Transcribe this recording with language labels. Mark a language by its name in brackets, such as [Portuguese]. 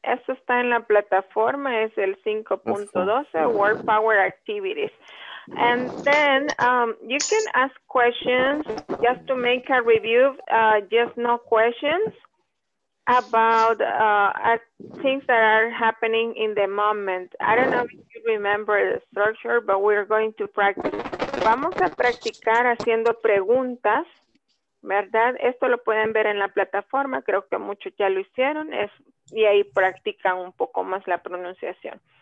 [Spanish] Esto está en la plataforma, es el 5.12, World Power Activities. [English] And then you can ask questions just to make a review, just no questions about things that are happening in the moment. I don't know if you remember the structure, but we're going to practice. [Spanish] Vamos a practicar haciendo preguntas, ¿verdad? Esto lo pueden ver en la plataforma, creo que muchos ya lo hicieron, es, y ahí practican un poco más la pronunciación.